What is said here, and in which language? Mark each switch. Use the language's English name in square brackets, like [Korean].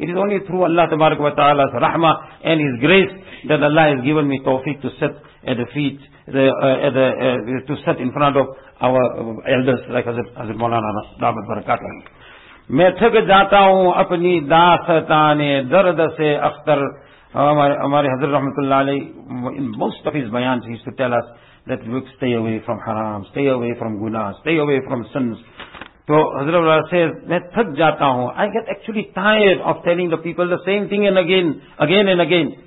[English] It is only through Allah tabaraka wa ta'ala's rahmah and his grace that Allah has given me tawfiq to sit at the feet, to sit in front of our elders like Hazrat Maulana Dawud Barakatuh. [Urdu] میں تھک جاتا ہوں اپنی داستانِ درد سے اختر. ہمارے حضرت رحمت اللہ علیہ, [English] in most of his bayans he used to tell us that we stay away from haram, stay away from guna, stay away from sins. [Urdu] تو حضرت اللہ علیہ [English] says [Urdu] میں تھک جاتا ہوں, [English] I get actually tired of telling the people the same thing and again, again and again.